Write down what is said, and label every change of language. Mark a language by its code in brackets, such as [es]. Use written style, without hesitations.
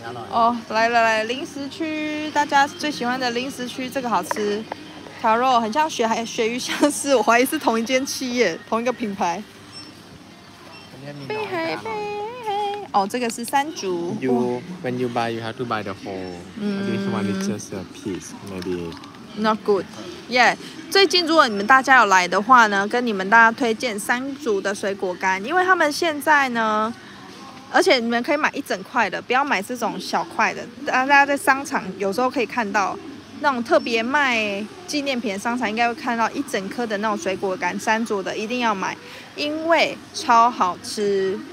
[zh] 哦，来来来，零食区，大家最喜欢的零食区，这个好吃，烤肉很像鳕，还鳕鱼香丝，我怀疑是同一间企业，同一个品牌。贝海，哦，这个是山竹。 [en] You when you buy, you have to buy the whole. This one is just a piece, maybe. Not good. Yeah. [zh] 最近如果你们大家有来的话呢，跟你们大家推荐山竹的水果干，因为他们现在呢。而且你们可以买一整块的，不要买这种小块的。大家在商场有时候可以看到那种特别卖纪念品的商场，应该会看到一整颗的那种水果干，山竹的一定要买，因为超好吃。